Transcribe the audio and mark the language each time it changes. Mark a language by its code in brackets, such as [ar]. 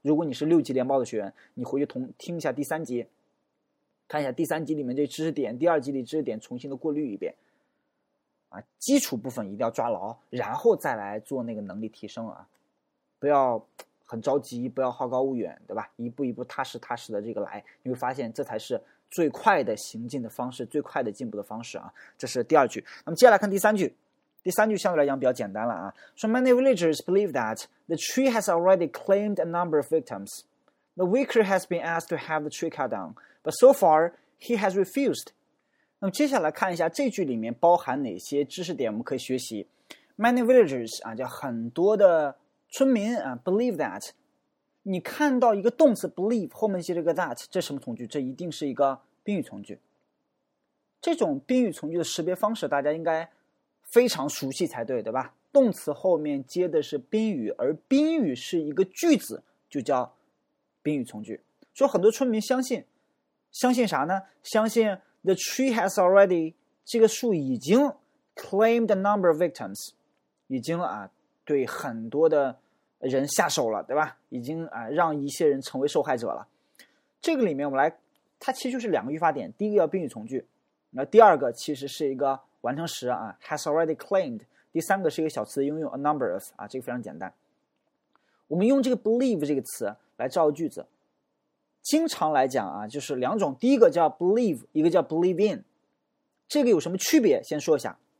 [zh] 如果你是六级联报的学员，你回去听一下第三级，看一下第三级里面这知识点，第二级里知识点重新的过滤一遍啊，基础部分一定要抓牢，然后再来做那个能力提升啊。不要很着急，不要好高骛远，对吧？一步一步踏实踏实的这个来，你会发现这才是最快的行进的方式，最快的进步的方式啊！这是第二句。那么接下来看第三句，第三句相对来讲比较简单了啊。 [en] So many villagers believe that the tree has already claimed a number of victims. The vicar has been asked to have the tree cut down, but so far he has refused. [zh] 那么接下来看一下这句里面包含哪些知识点，我们可以学习。 Many villagers 啊，叫很多的。村民啊 ，believe that， 你看到一个动词 believe 后面接着个 that， 这什么从句？这一定是一个宾语从句。这种宾语从句的识别方式大家应该非常熟悉才对，对吧？动词后面接的是宾语，而宾语是一个句子，就叫宾语从句。说很多村民相信啥呢？相信 the tree has already 这个树已经 claimed a number of victims，已经啊。对很多的人下手了，对吧？已经啊，让一些人成为受害者了。这个里面我们来，它其实就是两个语法点，第一个要宾语从句，那第二个其实是一个完成时啊 ， has already claimed。第三个是一个小词的应用 ，a number of 啊，这个非常简单。我们用这个 believe 这个词来造句子，经常来讲啊，就是两种，第一个叫 believe， 一个叫 believe in。这个有什么区别？先说一下。